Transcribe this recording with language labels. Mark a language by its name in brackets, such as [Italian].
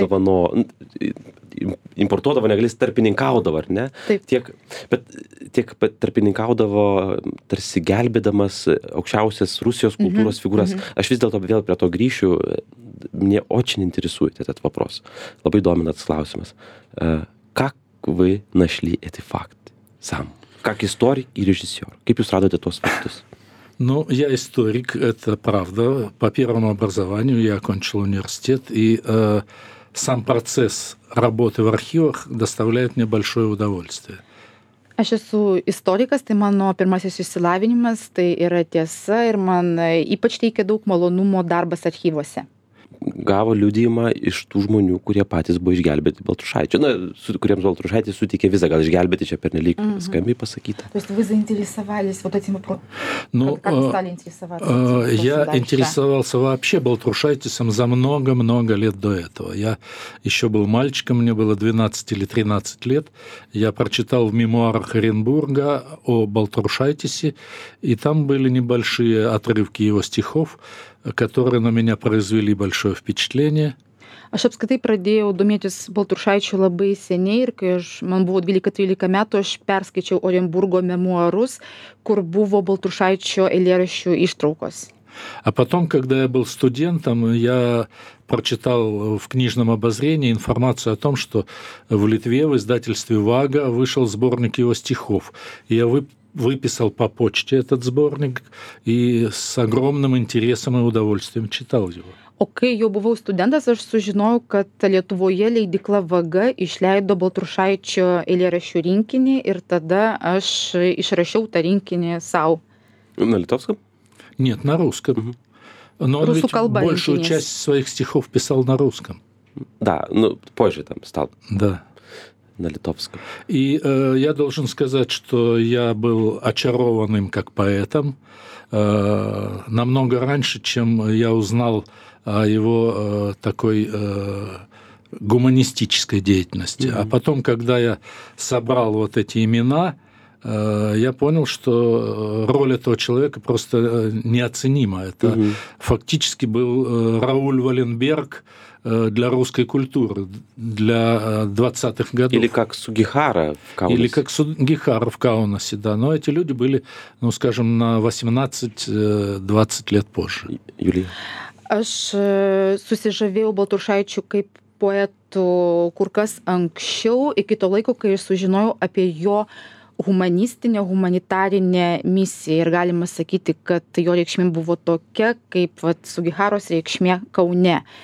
[Lithuanian] Dovano, importuodavo, negalis tarpininkaudavo, ar ne? Taip. Tiek tarpininkaudavo, tarsi gelbėdamas aukščiausias Rusijos kultūros figūras. Aš vis dėlto vėl prie to grįšiu. [Russian] Мне очень интересует этот вопрос. [Lithuanian] Labai domina tas klausimas. [Russian] Как вы нашли этот факт сам? Как историк и режиссер? [Lithuanian] Kaip jūs radote tuos faktus? [Russian] Ну, я историк, это правда. По первому образованию я окончил университет, и сам процесс работы в архивах доставляет мне большое удовольствие. [Lithuanian] Aš esu istorikas, tai mano pirmasis išsilavinimas, tai yra tiesa, ir man ypač teikia daug malonumo darbas archyvuose. Gavo liudijimą iš tų žmonių, kurie patys buvo išgelbėti Baltrušaičio. Na, kuriems Baltrušaitis suteikė vizą, gal išgelbėti čia pernelyg skambiai pasakyta. [Russian] То есть вы заинтересовались вот этим вопросом? Ну, я интересовался вообще Балтрушайтисом за много-много лет до этого. Я еще был мальчиком, мне было 12 или 13 лет. Я прочитал в мемуарах Оренбурга о Балтрушайтисе, и там были небольшие отрывки его стихов, которые на меня произвели большое впечатление. [Lithuanian] Aš apskritai pradėjau domėtis Baltrušaičiu labai seniai, ir kai man buvo 12-13 metų, aš perskaičiau Оренбурго memuarus, kur buvo Baltrušaičio eilėraščių ištraukos. [Russian] А потом, когда я был студентом, я прочитал в книжном обозрении информацию о том, что в Литве в издательстве Вага вышел сборник его стихов. Я выписал по почте этот сборник и с огромным интересом и удовольствием читал его. [Lithuanian] O kai jau buvau studentas, aš sužinojau, kad Lietuvoje leidikla Vaga išleido Baltrušaičio eilėraščių rinkinį ir tada aš išrašiau tą rinkinį sau. [Russian] Na litovskam? Нет, на русском. Но [Lithuanian] Rusų kalba [Russian] большую часть своих стихов писал на русском. Да, ну, позже там стал. Да. На литовском. И я должен сказать, что я был очарован им как поэтом намного раньше, чем я узнал о его такой гуманистической деятельности. Mm-hmm. А потом, когда я собрал вот эти имена, я понял, что роль этого человека просто неоценима. Это mm-hmm. фактически был Рауль Валенберг для русской культуры, для 20-х годов. Или как Сугихара в Каунасе. Или как Сугихара в Каунасе, да. Но эти люди были, ну, скажем, на 18-20 лет позже. Юлия? [Lithuanian] Aš susižavėjau Baltrušaičiu kaip poetu kur kas anksčiau, iki to laiko, kai sužinojau apie jo humanistinę, humanitarinę misiją. Ir galima sakyti, kad jo reikšmė buvo tokia, kaip vat, Sugiharos reikšmė Kaune.